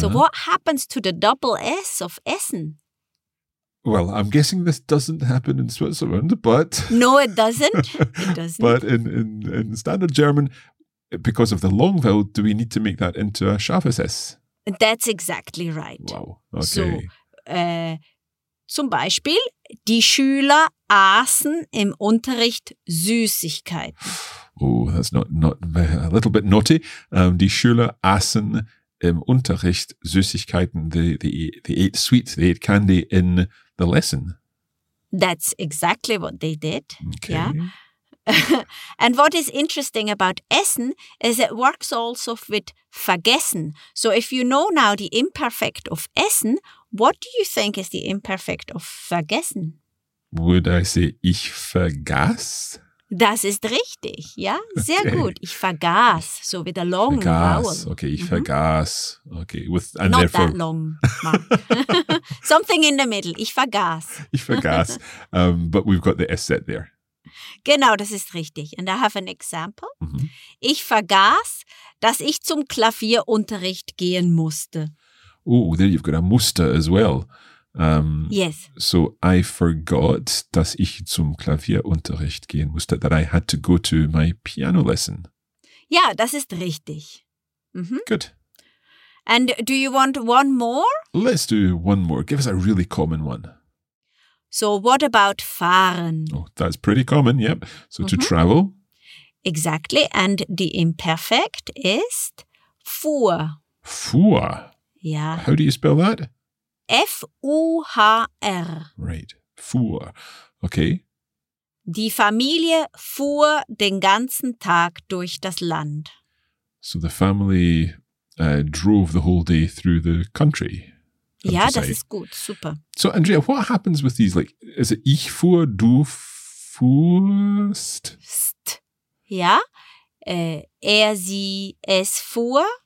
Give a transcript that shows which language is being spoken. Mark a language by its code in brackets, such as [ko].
[en] So what happens to the double S of Essen? Well, I'm guessing this doesn't happen in Switzerland, but... No, it doesn't. It doesn't. But in standard German, because of the long vowel, do we need to make that into a scharfes S? That's exactly right. Wow, okay. So, [de] zum Beispiel, die Schüler aßen im Unterricht Süßigkeiten. [en] Oh, that's not a little bit naughty. [de] Die Schüler aßen im Unterricht Süßigkeiten. [en] They ate sweets, they ate candy in the lesson. That's exactly what they did. Okay. Yeah. And what is interesting about essen is it works also with vergessen. So if you know now the imperfect of essen, what do you think is the imperfect of vergessen? Would I say [de] ich vergaß? Das ist richtig, ja, sehr okay. Gut. Ich vergaß, [en] so with a long [de] vergaß. [en] Vowel. Okay, [de] ich vergaß. [en] Okay, with and not therefore that long. Something in the middle. [de] Ich vergaß. Ich vergaß. [en] But we've got the S set there. [de] Genau, das ist richtig. [en] And I have an example. Mm-hmm. [de] Ich vergaß, dass ich zum Klavierunterricht gehen musste. [en] Oh, there you've got a Muster as well. Yes. So I forgot, [de] dass ich zum Klavierunterricht gehen musste, [en] that I had to go to my piano lesson. [de] Ja, das ist richtig. [en] Mm-hmm. Good. And do you want one more? Let's do one more. Give us a really common one. So what about fahren? Oh, that's pretty common, yep. So mm-hmm. To travel. Exactly. And the imperfect [de] ist fuhr. Fuhr. Ja. [en] How do you spell that? F-U-H-R. Right. Fuhr. Okay. [de] Die Familie fuhr den ganzen Tag durch das Land. [en] So the family drove the whole day through the country. [de] Ja, das ist gut. Super. [en] So, Andrea, what happens with these? Like, is it [de] ich fuhr, du fuhrst? St. Ja. Er, sie, es fuhr.